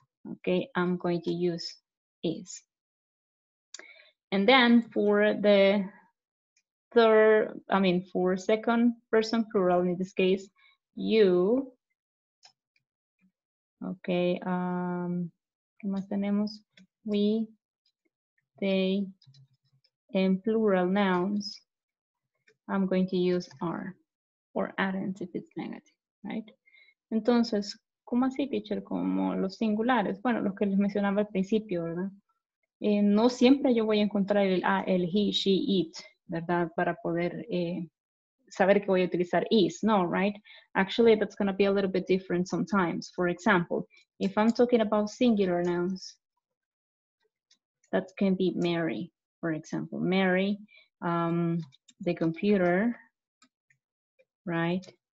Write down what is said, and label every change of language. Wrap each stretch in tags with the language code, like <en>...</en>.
<en>Okay, I'm going to use is. And then for the for second person plural, in this case, you, okay,</en> <es>¿qué más tenemos?</es> <en>We, they, and plural nouns, I'm going to use are, or aren't if it's negative, right?</en> <es>Entonces, ¿cómo así, teacher? Como los singulares, bueno, los que les mencionaba al principio, ¿verdad? No siempre yo voy a encontrar el he, she, it, ¿verdad? Para poder saber que voy a utilizar is, no, right?</es> <en>Actually, that's going to be a little bit different sometimes. For example, if I'm talking about singular nouns, that can be Mary, for example. Mary, the computer, right?</en>